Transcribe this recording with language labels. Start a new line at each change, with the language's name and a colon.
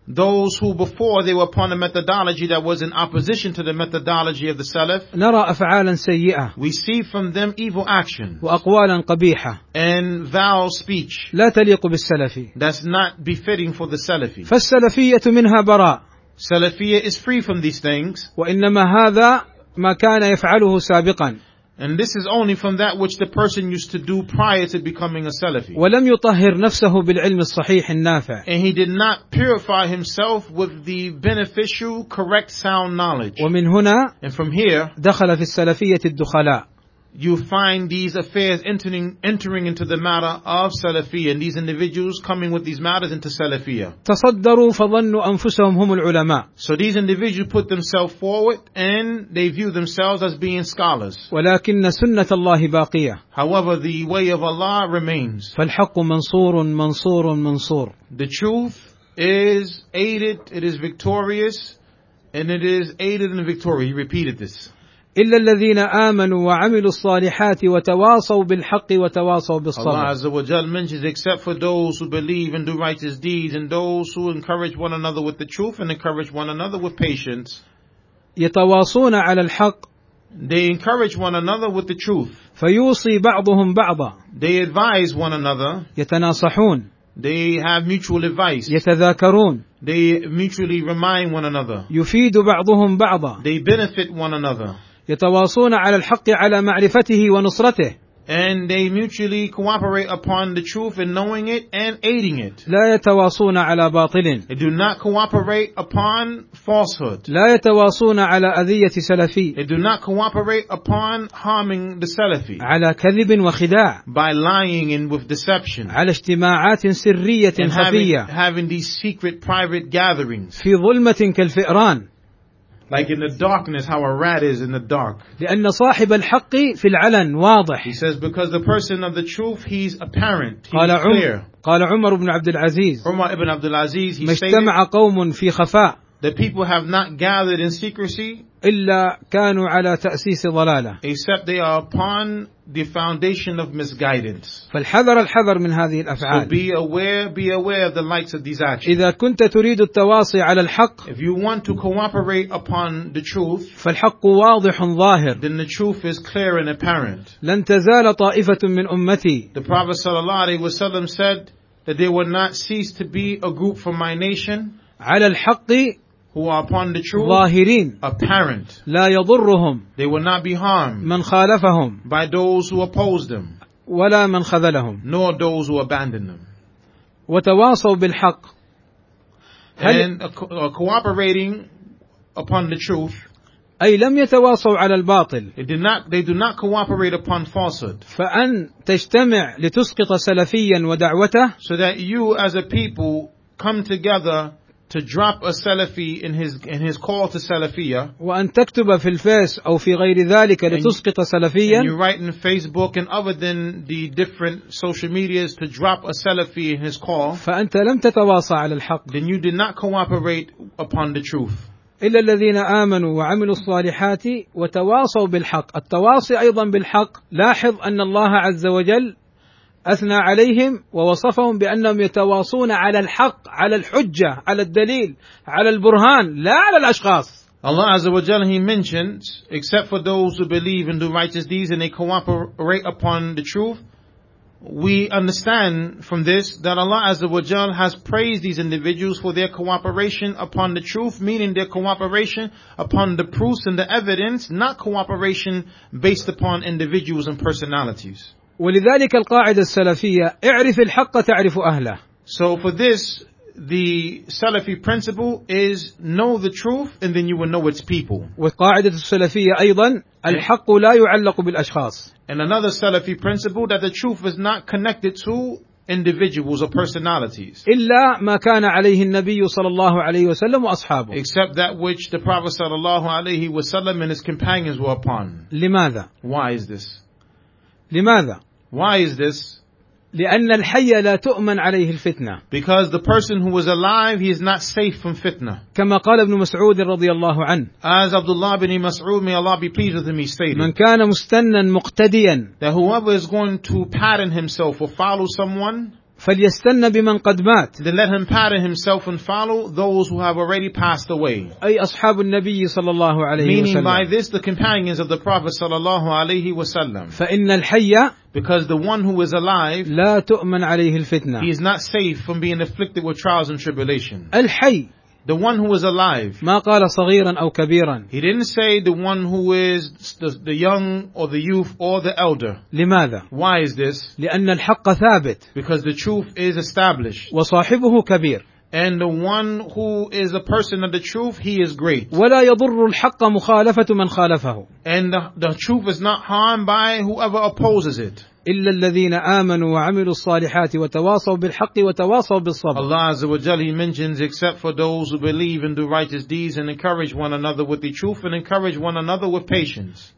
English: those who before they were upon a methodology that was in opposition to the methodology of the سلف
Arabic: نرى أفعالا سيئة
English: we see from them evil actions
Arabic: وأقوالا قبيحة
English: and vile speech
Arabic: لا تليق بالسلفي
English: that's not befitting for the سلفي
Arabic: فالسلفية منها براء
English: سلفية is free from these things
Arabic: وإنما هذا ما كان يفعله سابقا
English: and this is only from that which the person used to do prior to becoming a salafi
Arabic: ولم يطهر نفسه بالعلم الصحيح النافع
English: and he did not purify himself with the beneficial correct sound knowledge
Arabic: ومن هنا
English: and from here
Arabic: دخل في السلفية الدخلاء
English: you find these affairs entering into the matter of salafiyya and these individuals coming with these matters into salafiyya
Arabic: تصدروا فظنوا انفسهم هم العلماء
English: so these individuals put themselves forward and they view themselves as being scholars
Arabic: ولكن سنة الله باقية
English: however the way of Allah remains
Arabic: فالحق منصور منصور منصور
English: the truth is aided it is victorious and it is aided in victory he repeated this
Arabic: إلا الذين آمنوا وعملوا الصالحات وتواصوا بالحق وتواصوا بالصبر.
English: Allah
Arabic: عز وجل
English: mentions except for those who believe and do righteous deeds and those who encourage one another with the truth and encourage one another with patience.
Arabic: يتواصون على الحق.
English: They encourage one another with the truth.
Arabic: فيوصي بعضهم بعضا.
English: They advise one another.
Arabic: يتناصحون.
English: They have mutual advice.
Arabic: يتذاكرون.
English: They mutually remind one another.
Arabic: يفيد بعضهم بعضا.
English: They benefit one another.
Arabic: يتواصون على الحق على معرفته ونصرته
English: and they mutually cooperate upon the truth in knowing it and aiding it
Arabic: لا يتواصون على باطل
English: they do not cooperate upon falsehood
Arabic: لا يتواصون على أذية سلفي
English: they do not cooperate upon harming the سلفي
Arabic: على كذب وخداع
English: by lying and with deception
Arabic: على اجتماعات سرية خفية
English: having these secret private gatherings
Arabic: في ظلمة كالفئران
English: Like in the darkness, how a rat is in the dark.
Arabic: لأن صاحب الحق في العلن واضح.
English: He says, because the person of the truth, he's apparent. He's
Arabic: قال
English: clear.
Arabic: قال عمر بن عبد العزيز. عمر بن عبد العزيز. ما اجتمع قوم في خفاء.
English: The people have not gathered in secrecy.
Arabic: إلا كانوا على تأسيس ضلالة.
English: Except they are upon the foundation of misguidance.
Arabic: فالحذر الحذر من هذه الأفعال.
English: So be aware of the likes of these actions.
Arabic: إذا كنت تريد التواصي على الحق.
English: If you want to cooperate upon the truth.
Arabic: فالحق واضح ظاهر.
English: Then the truth is clear and apparent.
Arabic: لن تزال طائفة من أمتي.
English: The Prophet
Arabic: صلى الله عليه وسلم
English: said that they will not cease to be a group from my nation.
Arabic: على الحق.
English: Who are upon the truth,
Arabic: ظاهرين,
English: apparent.
Arabic: لا يضرهم.
English: They will not be harmed.
Arabic: من خالفهم.
English: By those who oppose them.
Arabic: ولا من خذلهم.
English: Nor those who abandon them.
Arabic: وتواصوا بالحق.
English: And cooperating upon the truth.
Arabic: أي لم يتواصوا على الباطل.
English: They do not cooperate upon falsehood.
Arabic: فأن تجتمع لتسقط سلفيا ودعوته.
English: So that you as a people come together. To drop a Salafi in his call to Salafiyya.
Arabic: وأن تكتب في الفيس أو في غير ذلك لتسقط سلفيا.
English: And you write in Facebook and other than the different social medias to drop a Salafi in his call.
Arabic: فأنت لم تتواصى على الحق.
English: Then you did not cooperate upon the truth.
Arabic: إلا الذين آمنوا وعملوا الصالحات وتواصوا بالحق. التواصي أيضا بالحق. لاحظ أن الله عز وجل أثنى عليهم ووصفهم بأنهم يتواصون على الحق على الحجة على الدليل على البرهان لا على الأشخاص
English: Allah
Arabic: عز وجل
English: he mentions except for those who believe and do righteous deeds and they cooperate upon the truth we understand from this that Allah عز وجل has praised these individuals for their cooperation upon the truth meaning their cooperation upon the proofs and the evidence not cooperation based upon individuals and personalities
Arabic: ولذلك القاعدة السلفية اعرف الحق تعرف أهله
English: So for this the Salafi principle is know the truth and then you will know its people.
Arabic: وقاعدة السلفية أيضا الحق لا يعلق بالأشخاص.
English: And another Salafi principle that the truth is not connected to individuals or personalities.
Arabic: إلا ما كان عليه النبي صلى الله عليه وسلم وأصحابه.
English: Except that which the Prophet
Arabic: صلى الله عليه وسلم
English: and his companions were upon.
Arabic: لماذا?
English: Why is this?
Arabic: لماذا?
English: Why is this?
Arabic: لأن الحي لا تؤمن عليه الفتنة.
English: Because the person who was alive, he is not safe from fitna.
Arabic: كما قال ابن مسعود رضي الله عنه.
English: As Abdullah bin Mas'ud, may Allah be pleased with him, he stated.
Arabic: من كان مستنا مقتديا.
English: That whoever is going to pattern himself or follow someone.
Arabic: فليستن بمن قد مات.
English: Then let him pattern himself and follow those who have already passed away.
Arabic: أي أصحاب النبي صلى الله عليه
English: Meaning
Arabic: وسلم.
English: Meaning by this the companions of the Prophet
Arabic: صلى الله عليه وسلم. فإن الحي
English: Because the one who is alive,
Arabic: لا تؤمن عليه الفتنة.
English: He is not safe from being afflicted with trials and tribulation.
Arabic: الحي
English: The one who is alive.
Arabic: ما قال صغيرا أو كبيرا.
English: He didn't say the one who is the young or the youth or the elder.
Arabic: لماذا?
English: Why is this?
Arabic: لأن الحق ثابت.
English: Because the truth is established.
Arabic: وصاحبه كبير.
English: And the one who is a person of the truth, he is great.
Arabic: ولا يضر الحق مخالفة من خالفه.
English: And the truth is not harmed by whoever opposes it.
Arabic: إلا الذين آمنوا وعملوا الصالحات وتواصوا بالحق وتواصوا بالصبر.
English: Allah Azza wa Jalla, He mentions, except for those who believe and do righteous deeds and encourage one another with the truth and encourage one another with patience.